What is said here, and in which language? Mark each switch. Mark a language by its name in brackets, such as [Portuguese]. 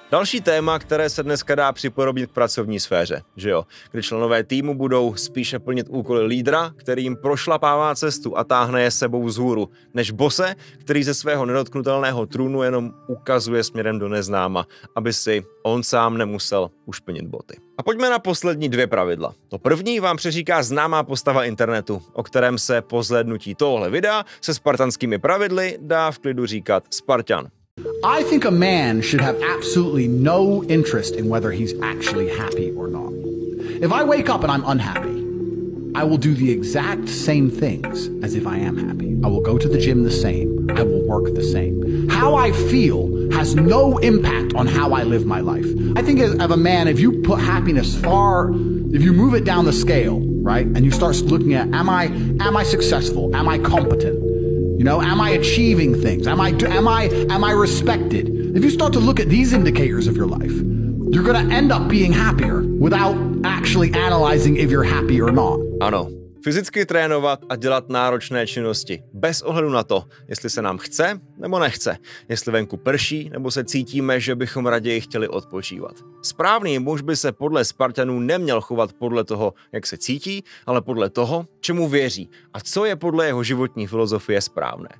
[Czech] Další téma, které se dneska dá připodobnit k pracovní sféře, že jo, kdy členové týmu budou spíše plnit úkoly lídra, který jim prošlapává cestu a táhne je sebou vzhůru, než bose, který ze svého nedotknutelného trůnu jenom ukazuje směrem do neznáma, aby si on sám nemusel ušpinit boty. A pojďme na poslední dvě pravidla. To první vám přeříká známá postava internetu, o kterém se po zhlédnutí tohle videa se spartanskými pravidly dá v klidu říkat Spartan. [English] I think a man should have absolutely no interest in whether he's actually happy or not. If I wake up and I'm unhappy, I will do the exact same things as if I am happy. I will go to the gym the same. I will work the same. How I feel has no impact on how I live my life. I think of a man, if you put happiness far, if you move it down the scale, right, and you start looking at, am I successful? Am I competent? You know, am I achieving things? Am I respected? If you start to look at these indicators of your life, you're gonna end up being happier without actually analyzing if you're happy or not. [Czech] Ano, fyzicky trénovat a dělat náročné činnosti bez ohledu na to, jestli se nám chce nebo nechce, jestli venku prší nebo se cítíme, že bychom raději chtěli odpočívat. Správný muž by se podle Spartanů neměl chovat podle toho, jak se cítí, ale podle toho, čemu věří a co je podle jeho životní filozofie správné.